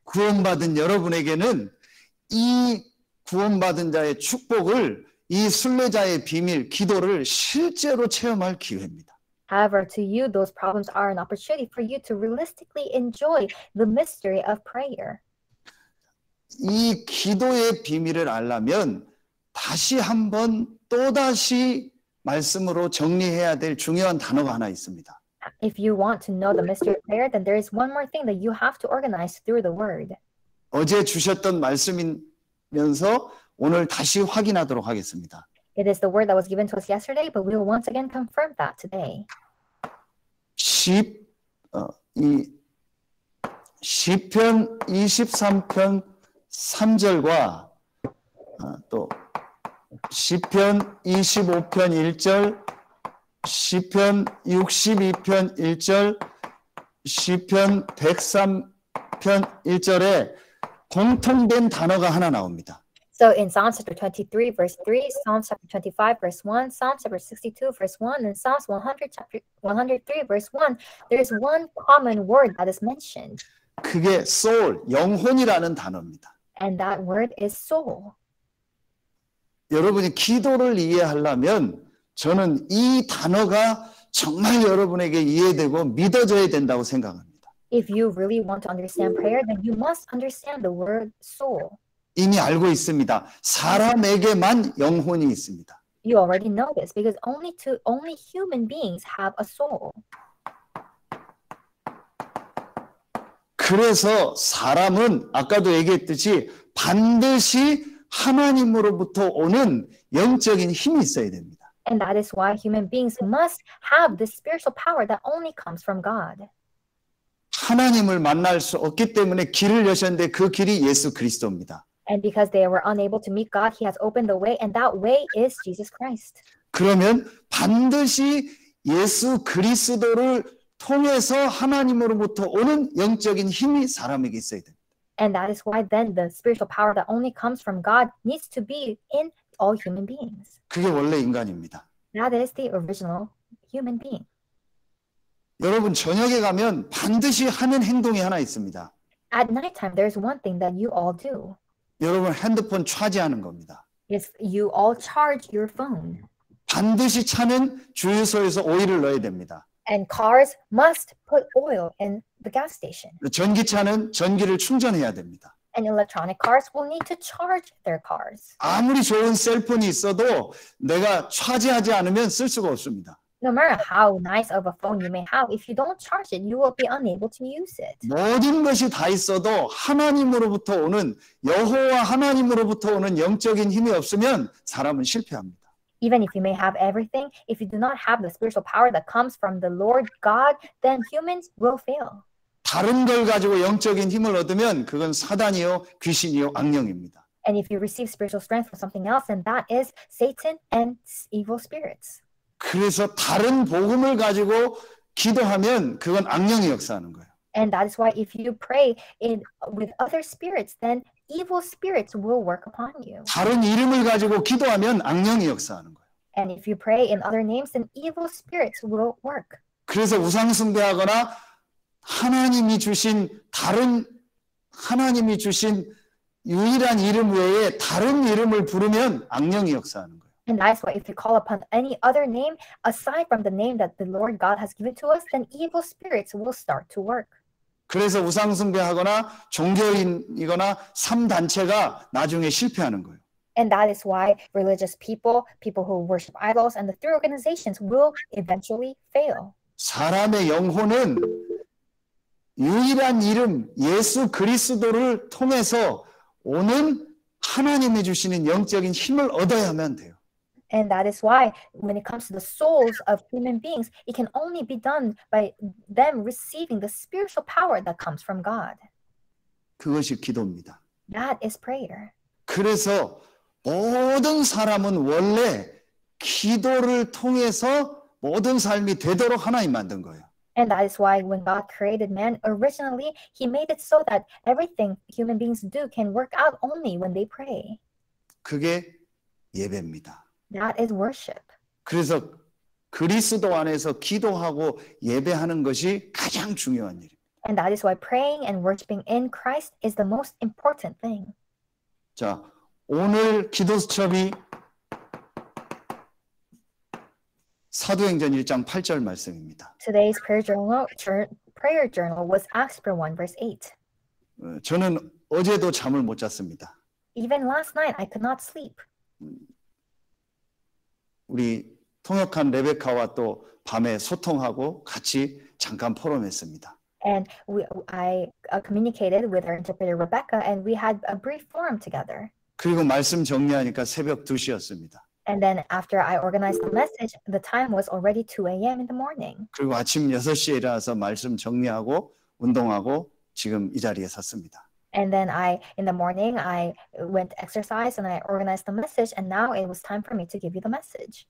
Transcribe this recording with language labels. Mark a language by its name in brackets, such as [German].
[Korean] 구원받은 여러분에게는 이 구원받은 자의 축복을 이 순례자의 비밀 기도를 실제로 체험할 기회입니다. [English] However, to you, those problems are an opportunity for you to realistically enjoy the mystery of prayer. [Korean] 이 기도의 비밀을 알려면 다시 한번 또 다시 말씀으로 정리해야 될 중요한 단어가 하나 있습니다. [English] If you want to know the mystery of prayer, then there is one more thing that you have to organize through the word. [Korean] 어제 주셨던 말씀이면서 오늘 다시 확인하도록 하겠습니다. [English] It is the word that was given to us yesterday, but we will once again confirm that today. [Korean] 시편 23편 3절과 또 시편 25편 1절, 시편 62편 1절, 시편 103편 1절에 공통된 단어가 하나 나옵니다. [English] So in Psalms chapter 23 verse 3, Psalms chapter 25 verse 1, Psalms chapter 62 verse 1, and Psalms 100 chapter 103 verse 1, there is one common word that is mentioned. [Korean] 그게 soul, 영혼이라는 단어입니다. [English] And that word is soul. [Korean] 여러분이 기도를 이해하려면 저는 이 단어가 정말 여러분에게 이해되고 믿어져야 된다고 생각합니다. [English] If you really want to understand prayer, then you must understand the word soul. [Korean] 이미 알고 있습니다. 사람에게만 영혼이 있습니다. [English] You already know this because only human beings have a soul. [Korean] 그래서 사람은 아까도 얘기했듯이 반드시 하나님으로부터 오는 영적인 힘이 있어야 됩니다. [English] And that is why human beings must have the spiritual power that only comes from God. [Korean] 하나님을 만날 수 없기 때문에 길을 여셨는데 그 길이 예수 그리스도입니다. [English] And because they were unable to meet God, he has opened the way, and that way is Jesus Christ. [Korean] 그러면 반드시 예수 그리스도를 통해서 하나님으로부터 오는 영적인 힘이 사람에게 있어야 됩니다. [English] And that is why then the spiritual power that only comes from God needs to be in all human beings. [Korean] 그게 원래 인간입니다. [English] That is the original human being. [Korean] 여러분 저녁에 가면 반드시 하는 행동이 하나 있습니다. [English] At nighttime, there is one thing that you all do. [Korean] 여러분 핸드폰 차지하는 겁니다. [English] Yes, you all charge your phone. [Korean] 반드시 차는 주유소에서 오일을 넣어야 됩니다. [English] And cars must put oil in the gas station. [Korean] 전기차는 전기를 충전해야 됩니다. [English] And electronic cars will need to charge their cars. [Korean] 아무리 좋은 셀폰이 있어도 내가 차지하지 않으면 쓸 수가 없습니다. [English] No matter how nice of a phone you may have, if you don't charge it, you will be unable to use it. [Korean] 모든 것이 다 있어도 하나님으로부터 오는 여호와 하나님으로부터 오는 영적인 힘이 없으면 사람은 실패합니다. [English] Even if you may have everything, if you do not have the spiritual power that comes from the Lord God, then humans will fail. [Korean] 다른 걸 가지고 영적인 힘을 얻으면 그건 사단이요, 귀신이요, 악령입니다. [English] And if you receive spiritual strength from something else, then that is Satan and evil spirits. [Korean] 그래서 다른 복음을 가지고 기도하면 그건 악령이 역사하는 거예요. [English] And that is why if you pray in with other spirits, then evil spirits will work upon you. [Korean] 다른 이름을 가지고 기도하면 악령이 역사하는 거예요. [English] And if you pray in other names, then evil spirits will work. [Korean] 그래서 우상 숭배하거나 하나님이 주신 다른 하나님이 주신 유일한 이름 외에 다른 이름을 부르면 악령이 역사하는 거예요. [English] And that's why if you call upon any other name aside from the name that the Lord God has given to us, then evil spirits will start to work. [Korean] 그래서 우상 숭배하거나 종교인이거나 3단체가 나중에 실패하는 거예요. [English] And that is why religious people, people who worship idols, and the three organizations will eventually fail. [Korean] 사람의 영혼은 유일한 이름 예수 그리스도를 통해서 오는 하나님이 주시는 영적인 힘을 얻어야만 돼요. [English] And that is why when it comes to the souls of human beings, it can only be done by them receiving the spiritual power that comes from God. [Korean] 그것이 기도입니다. [English] That is prayer. [Korean] 그래서 모든 사람은 원래 기도를 통해서 모든 삶이 되도록 하나님 만든 거예요. [English] And that is why when God created man originally, he made it so that everything human beings do can work out only when they pray. [Korean] 그게 예배입니다. [English] That is worship. [Korean] 그래서 그리스도 안에서 기도하고 예배하는 것이 가장 중요한 일입니다. [English] And that is why praying and worshiping in Christ is the most important thing. [Korean] 자, 오늘 기도 수첩이 사도행전 1장 8절 말씀입니다. [English] Today's prayer journal was Acts 1 verse 8. [Korean] 저는 어제도 잠을 못 잤습니다. [English] Even last night I could not sleep. [Korean] 우리 통역한 레베카와 또 밤에 소통하고 같이 잠깐 포럼했습니다. [English] And I communicated with our interpreter Rebecca and we had a brief forum together. [Korean] 그리고 말씀 정리하니까 새벽 2시였습니다. [English] And then after I organized the message, the time was already 2 a.m. in the morning. [Korean] 그리고 아침 6시에 일어나서 말씀 정리하고 운동하고 지금 이 자리에 섰습니다. [English] And then in the morning I went exercise and I organized the message and now it was time for me to give you the message.